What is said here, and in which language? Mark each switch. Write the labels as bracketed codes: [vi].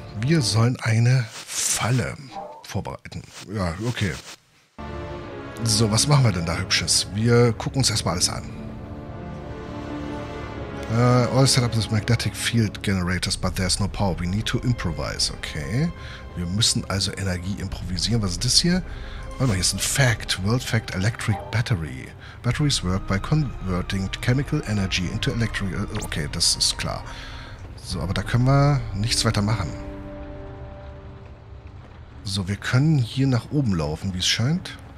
[de] Wir sollen eine Falle vorbereiten. Ja, okay. So, was machen wir denn da Hübsches? Wir gucken uns erstmal alles an. [en] All set up this magnetic field generators, but there's no power. We need to improvise. Okay. [de] Wir müssen also Energie improvisieren. Was ist das hier? Warte mal, hier ist ein Fact. [en] World Fact Electric Battery. Batteries work by converting chemical energy into electrical... [de] Okay, das ist klar. So, aber da können wir nichts weiter machen. So, wir können hier nach oben laufen, wie es scheint.